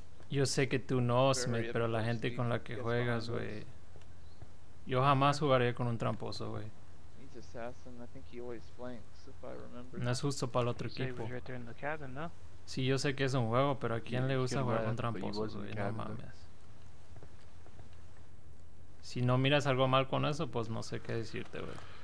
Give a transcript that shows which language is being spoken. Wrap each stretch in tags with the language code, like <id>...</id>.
<es>Yo sé que tú no, Smith, pero la gente con la que juegas, güey. Yo jamás jugaría con un tramposo, güey.</es> <en>He's assassin. I think he always flanks, if I remember.</en> <es>No es justo para el otro equipo.</es> <en>He was right there in the cabin, no?</en> <es>Sí, yo sé que es un juego, pero ¿a quién le gusta jugar con tramposos, güey? No mames. Si no miras algo mal con eso, pues no sé qué decirte, güey.</es>